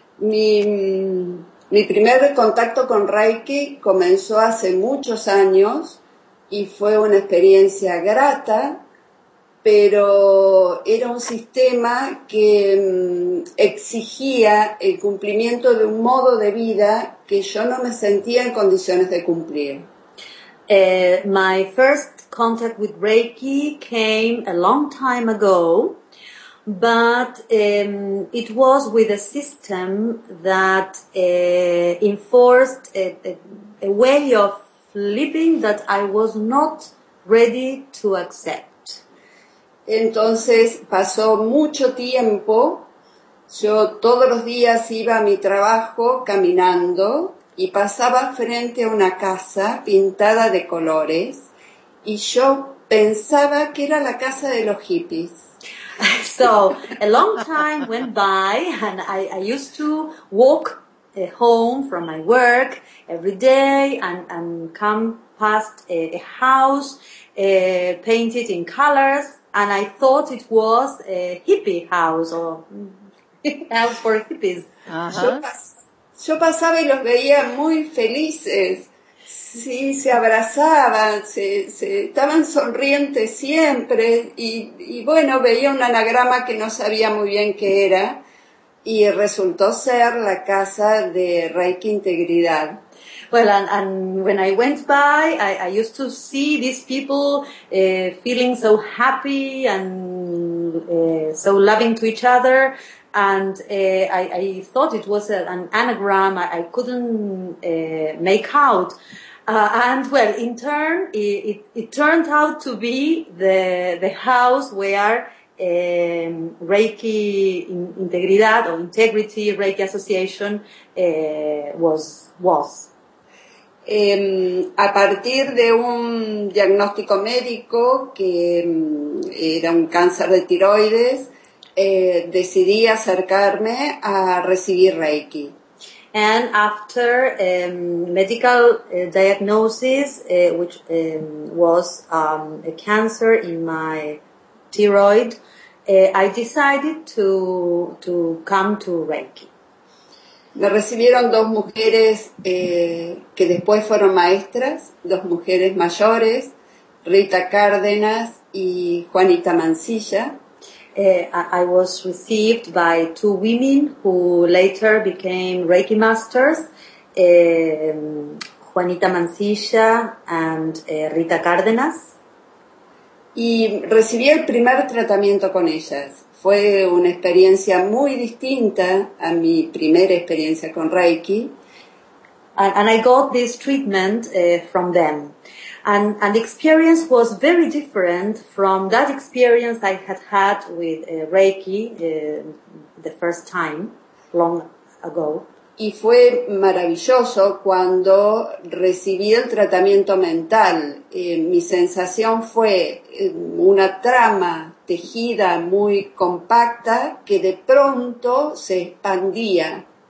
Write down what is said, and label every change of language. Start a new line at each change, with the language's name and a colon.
Spanish: Mi primer contacto con Reiki comenzó hace muchos años y fue una experiencia grata, pero era un sistema que exigía el cumplimiento de un modo de vida que yo no me sentía en condiciones de cumplir.
English: My first contact with Reiki came a long time ago. But it was with a system that enforced a way of living that I was not ready to accept.
Spanish: Entonces pasó mucho tiempo. Yo todos los días iba a mi trabajo caminando y pasaba frente a una casa pintada de colores y yo pensaba que era la casa de los hippies.
English: So, a long time went by, and I used to walk home from my work every day and come past a house painted in colors, and I thought it was a hippie house, or house for hippies.
Spanish: Uh-huh. Yo pasaba y los veía muy felices. Sí, se abrazaban, se estaban sonrientes siempre y bueno, veía un anagrama que no sabía muy bien qué era y resultó ser la casa de Reiki Integridad.
English: Well, and when I went by, I used to see these people feeling so happy and so loving to each other. And I thought it was an anagram. I couldn't make out. And well, in turn, it turned out to be the house where Reiki Integridad or Integrity Reiki Association was.
Spanish: A partir de un diagnóstico médico que era un cáncer de tiroides, decidí acercarme a recibir Reiki.
English: And after medical diagnosis, which was a cancer in my thyroid, I decided to come to Reiki.
Spanish: Me recibieron dos mujeres que después fueron maestras, dos mujeres mayores, Rita Cárdenas y Juanita Mancilla.
English: I was received by two women who later became Reiki masters, Juanita Mancilla and Rita Cárdenas.
Spanish: Y recibí el primer tratamiento con ellas. Fue una experiencia muy distinta a mi primera experiencia con Reiki.
English: And I got this treatment from them. And the experience was very different from that experience I had with Reiki the first time, long ago.
Spanish: Y fue maravilloso cuando recibí el tratamiento mental. Mi sensación fue una trama tejida muy compacta que de pronto se expandía.